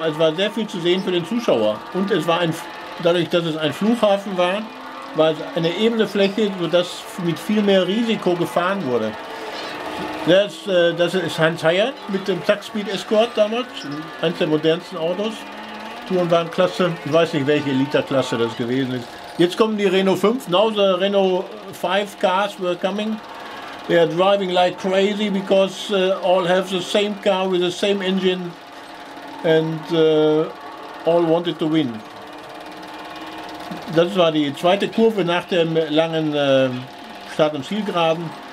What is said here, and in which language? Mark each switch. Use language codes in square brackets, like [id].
[de] Also es war sehr viel zu sehen für den Zuschauer. Und es war dadurch, dass es ein Flughafen war, war es eine ebene Fläche, sodass mit viel mehr Risiko gefahren wurde. Das ist Hans Heyer mit dem Zackspeed Escort damals, eines der modernsten Autos. Tourenwagenklasse, ich weiß nicht, welche Literklasse das gewesen ist. Jetzt kommen die Renault 5, [en] now the Renault 5 cars were coming. They are driving like crazy because all have the same car with the same engine and all wanted to win. [de] Das war die zweite Kurve nach dem langen Start- und Zielgeraden.